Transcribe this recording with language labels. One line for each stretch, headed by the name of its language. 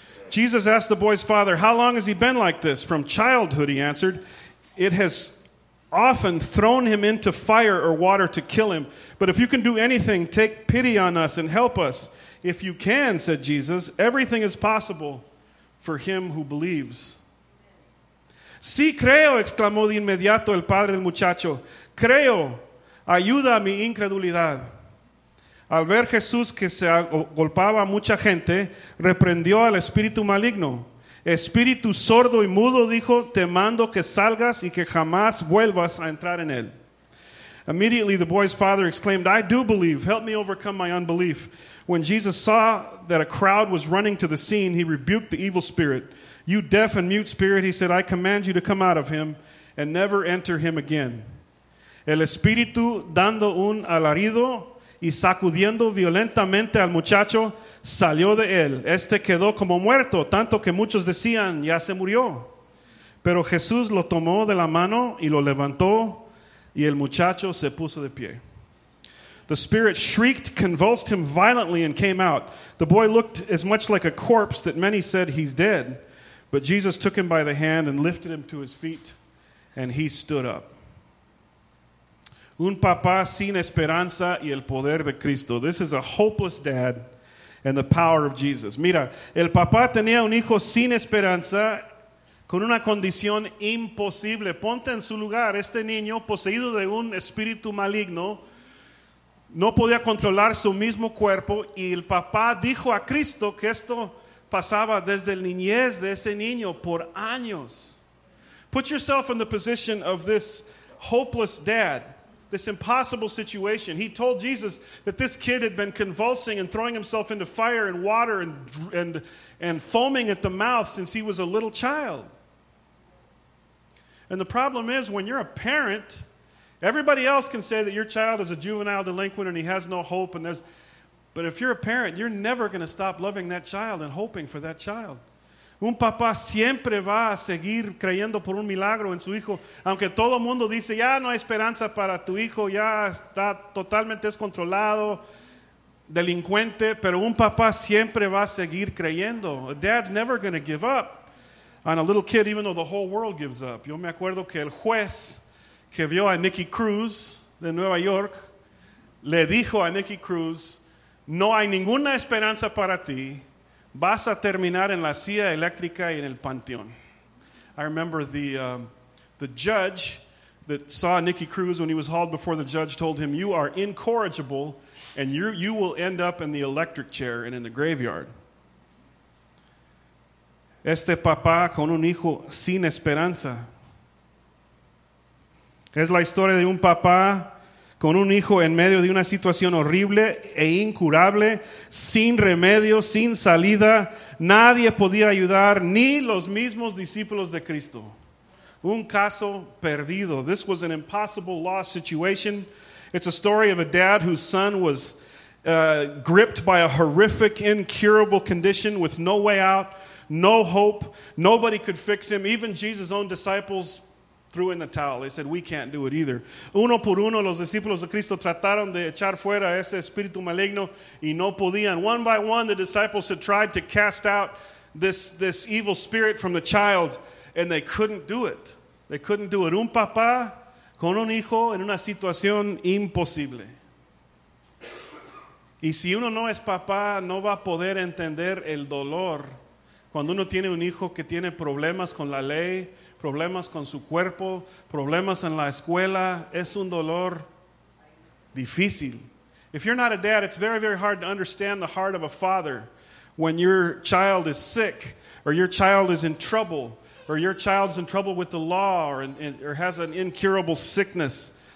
English: Jesus asked the boy's father, how long has he been like this? From childhood, he answered. It has often thrown him into fire or water to kill him. But if you can do anything, take pity on us and help us. If you can, said Jesus, everything is possible for him who believes.
Spanish: Sí, creo, exclamó de inmediato el padre del muchacho. Creo, ayuda a mi incredulidad. Al ver Jesús que se agolpaba a mucha gente, reprendió al espíritu maligno. Espíritu sordo y mudo, dijo, te mando que salgas y que jamás vuelvas a entrar en él.
English: Immediately the boy's father exclaimed, I do believe. Help me overcome my unbelief. When Jesus saw that a crowd was running to the scene, he rebuked the evil spirit. You deaf and mute spirit, he said, I command you to come out of him and never enter him again.
Spanish: El espíritu dando un alarido y sacudiendo violentamente al muchacho, salió de él. Este quedó como muerto, tanto que muchos decían, ya se murió. Pero Jesús lo tomó de la mano y lo levantó, y el muchacho se puso de pie.
English: The spirit shrieked, convulsed him violently, and came out. The boy looked as much like a corpse that many said, he's dead. But Jesus took him by the hand and lifted him to his feet, and he stood up.
Spanish: Un papá sin esperanza y el poder de Cristo.
English: This is a hopeless dad and the power of Jesus.
Spanish: Mira, el papá tenía un hijo sin esperanza con una condición imposible. Ponte en su lugar, este niño poseído de un espíritu maligno no podía controlar su mismo cuerpo y el papá dijo a Cristo que esto pasaba desde la niñez de ese niño por años.
English: Put yourself in the position of this hopeless dad. this impossible situation. He told Jesus that this kid had been convulsing and throwing himself into fire and water and foaming at the mouth since he was a little child. And the problem is, when you're a parent, everybody else can say that your child is a juvenile delinquent and he has no hope. But if you're a parent, you're never going to stop loving that child and hoping for that child.
Spanish: Un papá siempre va a seguir creyendo por un milagro en su hijo, aunque todo el mundo dice, ya no hay esperanza para tu hijo, ya está totalmente descontrolado, delincuente, pero un papá siempre va a seguir creyendo.
English: A dad's never going to give up on a little kid, even though the whole world gives up.
Spanish: Yo me acuerdo que el juez que vio a Nicky Cruz de Nueva York le dijo a Nicky Cruz, no hay ninguna esperanza para ti. Vas a terminar en la silla eléctrica y en el panteón.
English: I remember the judge that saw Nicky Cruz when he was hauled before the judge told him, you are incorrigible and you will end up in the electric chair and in the graveyard.
Spanish: Este papá con un hijo sin esperanza. Es la historia de un papá con un hijo en medio de una situación horrible e incurable, sin remedio, sin salida. Nadie podía ayudar, ni los mismos discípulos de Cristo. Un caso perdido.
English: This was an impossible lost situation. It's a story of a dad whose son was gripped by a horrific, incurable condition with no way out, no hope. Nobody could fix him. Even Jesus' own disciples threw in the towel. They said, we can't do it either.
Spanish: Uno por uno, los discípulos de Cristo trataron de echar fuera ese espíritu maligno y no podían.
English: One by one, the disciples had tried to cast out this evil spirit from the child, and they couldn't do it. They couldn't do it.
Spanish: Un papá con un hijo en una situación imposible. Y si uno no es papá, no va a poder entender el dolor cuando uno tiene un hijo que tiene problemas con la ley, problemas con su cuerpo, problemas en la escuela. Es un dolor difícil.
English: If you're not a dad, it's very, very hard to understand the heart of a father when your child is sick or your child is in trouble or your child's in trouble with the law or has an incurable sickness.